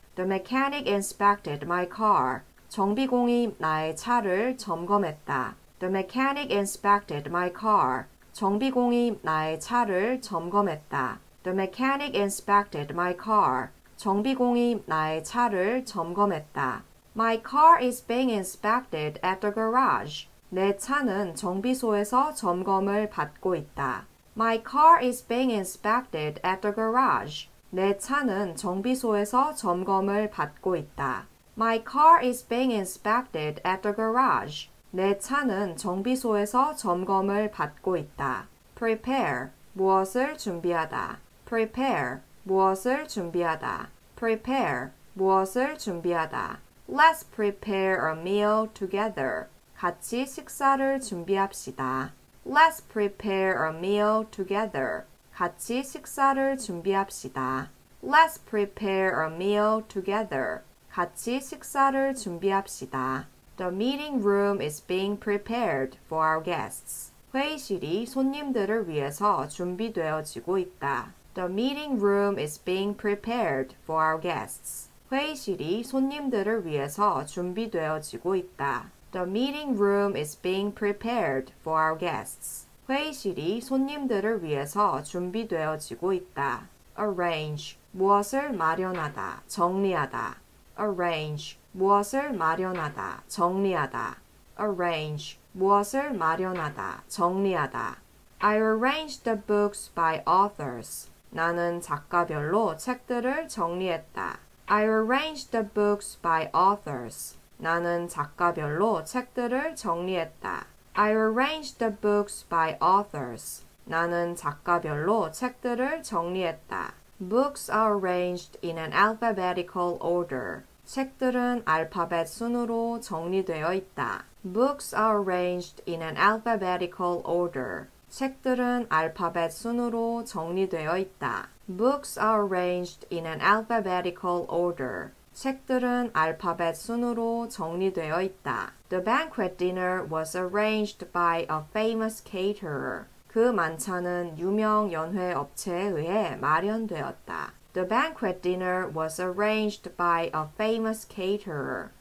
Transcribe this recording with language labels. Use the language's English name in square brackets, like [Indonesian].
[English] The mechanic inspected my car. [Korean] 정비공이 나의 차를 점검했다. [English] The mechanic inspected my car. [Korean] 정비공이 나의 차를 점검했다. [English] The mechanic inspected my car. [Korean] 정비공이 나의 차를 점검했다. [English] My car is being inspected at the garage. [Korean] 내 차는 정비소에서 점검을 받고 있다. [English] My car is being inspected at the garage. [Korean] 내 차는 정비소에서 점검을 받고 있다. [English] My car is being inspected at the garage. [Korean] 내 차는 정비소에서 점검을 받고 있다. [English] Prepare. [Korean] 무엇을 준비하다. [English] Prepare. [Korean] 무엇을 준비하다. Prepare. 무엇을 준비하다. [English] Let's prepare a meal together. [Korean] 같이 식사를 준비합시다. [English] Let's prepare a meal together. [Korean] 같이 식사를 준비합시다. [English] Let's prepare a meal together. [Korean] 같이 식사를 준비합시다. [English] The meeting room is being prepared for our guests. [Korean] 회의실이 손님들을 위해서 준비되어지고 있다. [English] The meeting room is being prepared for our guests. [Korean] 회의실이 손님들을 위해서 준비되어지고 있다. [English] The meeting room is being prepared for our guests. [Korean] 회의실이 손님들을 위해서 준비되어지고 있다. [English] Arrange. [Korean] 무엇을 마련하다, 정리하다. [English] Arrange. [Korean] 무엇을 마련하다, 정리하다. [English] Arrange. [Korean] 무엇을 마련하다, 정리하다. [English] I arranged the books by authors. [Korean] 나는 작가별로 책들을 정리했다. [English] I arranged the books by authors. [Korean] 나는 작가별로 책들을 정리했다. [English] I arranged the books by authors. [Korean] 나는 작가별로 책들을 정리했다. [English] Books are arranged in an alphabetical order. [Korean] 책들은 알파벳 순으로 정리되어 있다. [English] Books are arranged in an alphabetical order. [Korean] 책들은 알파벳 순으로 정리되어 있다. [English] Books are arranged in an alphabetical order. [Korean] 책들은 알파벳 순으로 정리되어 있다. [English] The banquet dinner was arranged by a famous caterer. [Korean] 그 만찬은 유명 연회 업체에 의해 마련되었다. [English] The banquet dinner was arranged by a famous caterer.